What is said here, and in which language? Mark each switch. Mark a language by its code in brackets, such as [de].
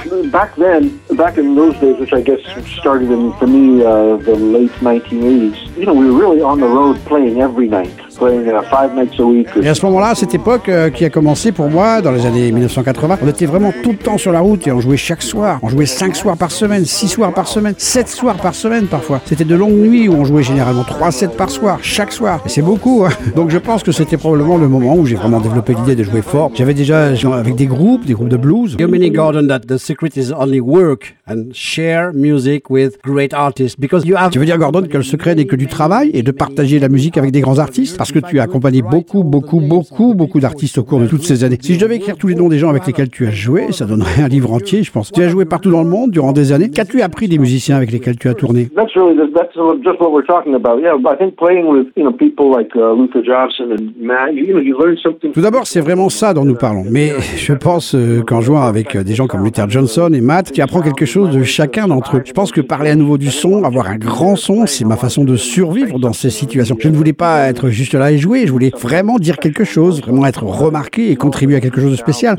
[en] Back in those days, which I guess started in, for me, the late 1980s, you know, we were really on the road playing every night. [fr] Et à ce moment-là, cette époque qui a commencé pour moi dans les années 1980, on était vraiment tout le temps sur la route et on jouait chaque soir. On jouait 5 soirs par semaine, 6 soirs par semaine, 7 soirs par semaine parfois. C'était de longues nuits où on jouait généralement 3 sets par soir, chaque soir. Et c'est beaucoup, hein. Donc je pense que c'était probablement le moment où j'ai vraiment développé l'idée de jouer fort. J'avais déjà joué avec des groupes de blues. [en] You mean, Gordon, that the secret is only work and share music with great artists because you have... [fr] Tu veux dire, Gordon, que le secret n'est que du travail et de partager la musique avec des grands artistes? Parce que tu as accompagné beaucoup, beaucoup, beaucoup, beaucoup d'artistes au cours de toutes ces années. Si je devais écrire tous les noms des gens avec lesquels tu as joué, ça donnerait un livre entier, je pense. Tu as joué partout dans le monde durant des années. Qu'as-tu appris des musiciens avec lesquels tu as tourné? [en] That's really that's just what we're talking about. Yeah, I think playing with, you know, people like Luther Johnson and Matt, you know, you learn something. [fr] Tout d'abord, c'est vraiment ça dont nous parlons. Mais je pense qu'en jouant avec des gens comme Luther Johnson et Matt, tu apprends quelque quelque chose de chacun d'entre eux. Je pense que parler à nouveau du son, avoir un grand son, c'est ma façon de survivre dans ces situations. Je ne voulais pas être juste là et jouer, je voulais vraiment dire quelque chose, vraiment être remarqué et contribuer à quelque chose de spécial.